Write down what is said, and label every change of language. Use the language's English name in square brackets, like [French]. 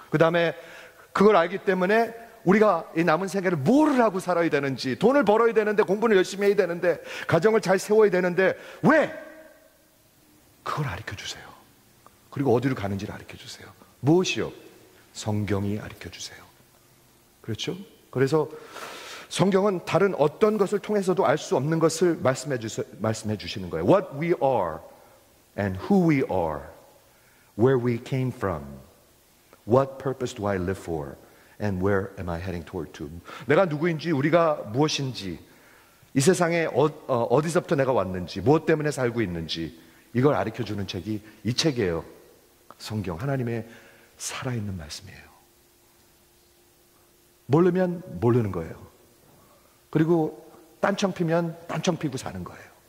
[Korean] 그 다음에 그걸 알기 때문에 우리가 이 남은 생애를 뭐를 하고 살아야 되는지, 돈을 벌어야 되는데, 공부를 열심히 해야 되는데, 가정을 잘 세워야 되는데, 왜? 그걸 가르쳐주세요. 그리고 어디로 가는지를 가르쳐주세요. 무엇이요? 성경이 가르쳐주세요. 그렇죠? 그래서 성경은 다른 어떤 것을 통해서도 알 수 없는 것을 말씀해 주시는 거예요. [English] What we are and who we are, where we came from, what purpose do I live for, and where am I heading toward to? [Korean] 내가 누구인지, 우리가 무엇인지, 이 세상에 어디서부터 내가 왔는지, 무엇 때문에 살고 있는지, 이걸 가르쳐주는 책이 이 책이에요. 성경, 하나님의 살아있는 말씀이에요. 모르면 모르는 거예요. 그리고 딴청 피면 딴청 피고 사는 거예요.